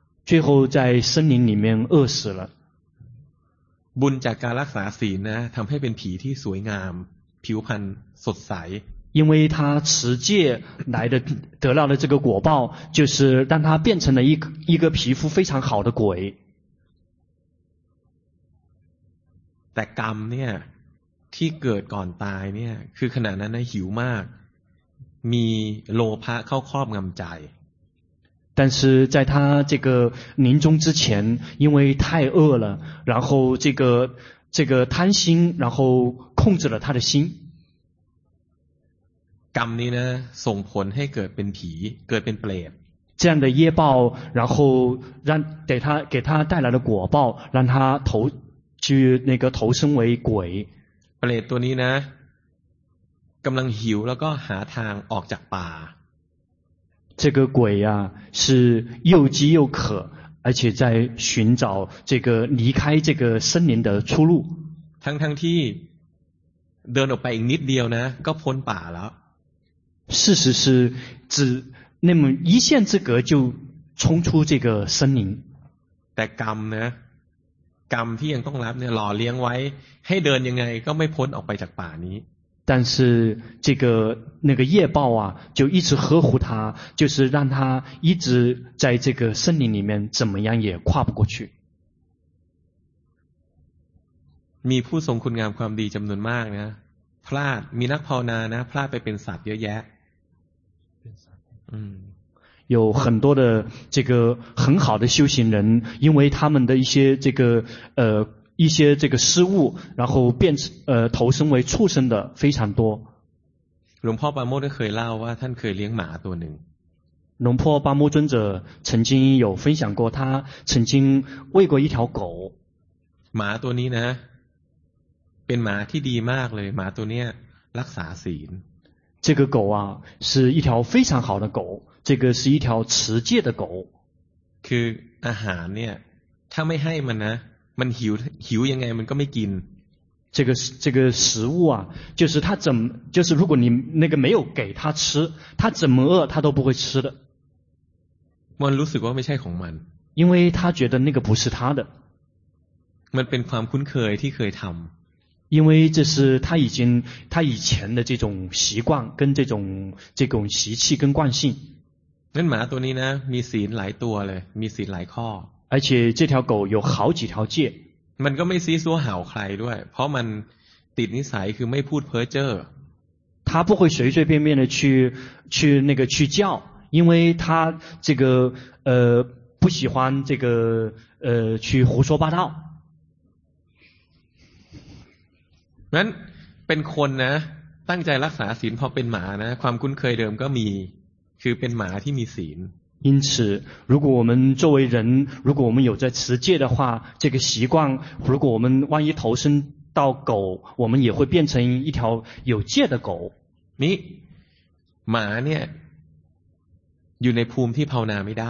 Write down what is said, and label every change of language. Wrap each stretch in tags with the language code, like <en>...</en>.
<zh>最后在森林里面饿死了</zh> <th>บุญจากการรักษาศีลนะทำให้เป็นผีที่สวยงามผิวพรรณสดใส</th> <zh>因为他持戒来的得到的这个果报就是让他变成了一个皮肤非常好的鬼</zh> <th>แต่กรรมเนี่ยที่เกิดก่อนตายเนี่ยคือขณะนั้นหิวมากมีโลภะเข้าครอบงำใจ</th> <zh>但是在他这个临终之前因为太饿了然后这个贪心然后控制了他的心</zh> <th>กรรมนี้นะส่งผลให้เกิดเป็นผีเกิดเป็นเปรต</th> <zh>这样的业报然后让给他带来的果报让他投去那个投身为鬼</zh> <th>เปรตตัวนี้นะกำลังหิวแล้วก็หาทางออกจากป่า</th> <zh>这个鬼啊是又饥又渴而且在寻找这个离开这个森林的出路</zh> <th>ทั้งที่เดินออกไปอีกนิดเดียวนะก็พ้นป่าแล้ว</th> <zh>事实是只那么一线之隔就冲出这个森林</zh> <th>แต่กรรมนะกรรมที่ยังต้องรับเนี่ยหล่อเลี้ยงไว้ให้เดินยังไงก็ไม่พ้นออกไปจากป่านี้</th> <zh>但是这个那个业报啊就一直呵护他就是让他一直在这个森林里面怎么样也跨不过去</zh> <th>มีผู้ทรงคุณงามความดีจำนวนมากนะพลาดมีนักภาวนานะพลาดไปเป็นสัตว์เยอะแยะ</th> <zh>有很多的这个很好的修行人因为他们的一些这个失误然后变成投身为畜生的非常多</zh> <th>龙婆巴木尊者เคยเล่าว่าท่านเคยเลี้ยงหมาตัวหนึ่ง</th> <zh>龙婆巴木尊者曾经有分享过他曾经喂过一条狗</zh> <th>หมาตัวนี้นะเป็นหมาที่ดีมากเลยหมาตัวเนี้ยรักษาศีล</th> <zh>这个狗啊是一条非常好的狗这个是一条持戒的狗</zh> <th>คืออาหารเนี่ยถ้าไม่ให้มันนะมันหิวยังไงมันก็ไม่กิน</th> <zh>这个食物啊就是他怎么就是如果你那个没有给他吃他怎么饿他都不会吃的</zh> <th>มันรู้สึกว่าไม่ใช่ของมัน</th> <zh>因为他觉得那个不是他的</zh> <th>มันเป็นความคุ้นเคยที่เคยทำ</th> <zh>因为这是他以前的这种习惯跟这种习气跟惯性</zh> <th>นั่นหมาตัวนี้นะมีศีลหลายตัวเลยมีศีลหลายข้อ</th> <zh>而且这条狗有好几条戒</zh> <th>มันก็ไม่ซีซัวหาวใครด้วยเพราะมัน ติดนิสัยคือไม่พูดเพ้อเจ้อ</th> <zh>他不会随随便便的去那个去叫因为他这个不喜欢这个去胡说八道</zh> <th>นั้นเป็นคนนะตั้งใจรักษาศีลพอเป็นหมานะความคุ้นเคยเดิมก็มีคือเป็นหมาที่มีศีล</th> <zh>因此如果我们作为人如果我们有在持戒的话这个习惯如果我们万一投身到狗我们也会变成一条有戒的狗你马呢</zh> <th>อยู่ในภูมิที่ภาวนาไม่ได</th>